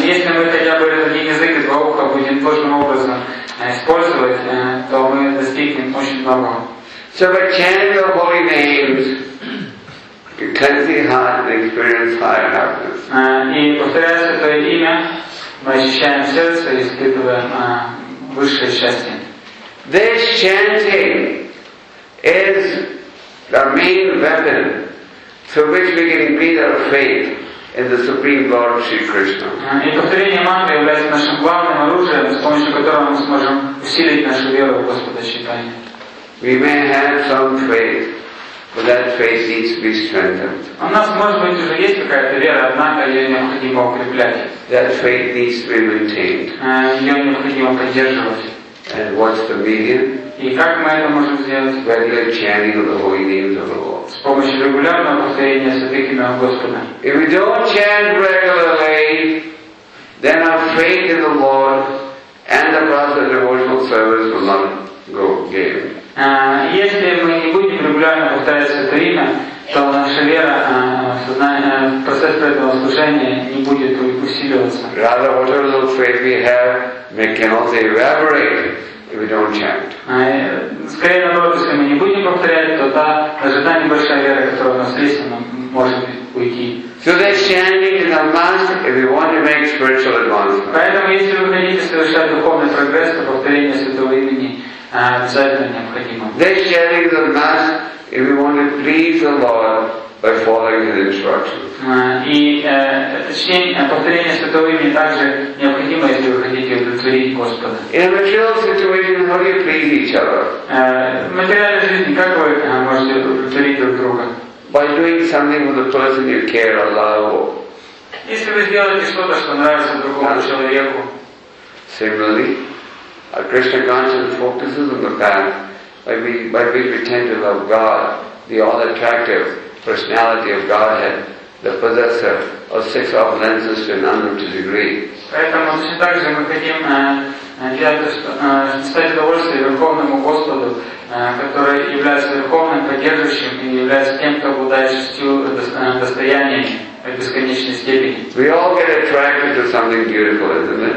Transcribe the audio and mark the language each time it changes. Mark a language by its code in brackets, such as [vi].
[ru] Если мы хотя бы один язык и два уха будем должным образом использовать, то мы достигнем очень многого. [en] So by chanting your holy names, cleansing heart and experience higher happiness. [ru] И повторяется это имя, мы ощущаем сердце и испытываем высшее счастье. [en] This chanting is the main weapon through which we can increase our faith in the Supreme Lord Shri Krishna. [ru] И повторение мантры является нашим главным оружием, с помощью которого мы сможем усилить нашу веру в Господа Чайтанья. [en] We may have some faith, but that faith needs to be strengthened. [ru] У нас может быть уже есть какая-то вера, однако ее необходимо укреплять. [en] That faith needs to be maintained. [ru] Ее необходимо поддерживать. [en] And what's the medium? [ru] И как мы это можем сделать? [en] Regular chanting of the holy names of the Lord. [ru] С помощью регулярного повторения святых имен Господа. [en] If we don't chant regularly, then our faith in the Lord and the process of devotional service will not go gain. [ru] Если мы не будем регулярно повторять святое имя, то наша вера сознание, процесс этого служения не будет усиливаться. [en] Rather, whatever little faith we have, it can also evaporate if we don't chant. [ru] Скорее наоборот, если мы не будем повторять, то та ожидаемая небольшая вера, которая у нас есть, она может уйти. [en] So that chanting is a must if we want to make spiritual advancement. [ru] Поэтому, если вы хотите совершать духовный прогресс, то повторение святого имени обязательно необходимо. [en] This chanting is a must if we want to please the Lord by following His instructions. [ru] Повторение святого имени также необходимо, если вы хотите удовлетворить Господа. [en] In a material situation, how do you please each other? [ru] В материальной жизни как вы можете удовлетворить друг друга? [en] By doing something with the person you care or love. [ru] Если вы сделаете что-то, что нравится другому человеку. [en] Similarly, our Krishna consciousness focuses on the fact by we tend to love God, the all-attractive personality of Godhead, the possessor of six opulences to an unlimited degree. [ru] Поэтому точно так же мы хотим стать удовольствием Верховному Господу, который является Верховным поддерживающим и является тем, кто обладает шестью достояниями в бесконечной степени. [en] We all get attracted to something beautiful, isn't it?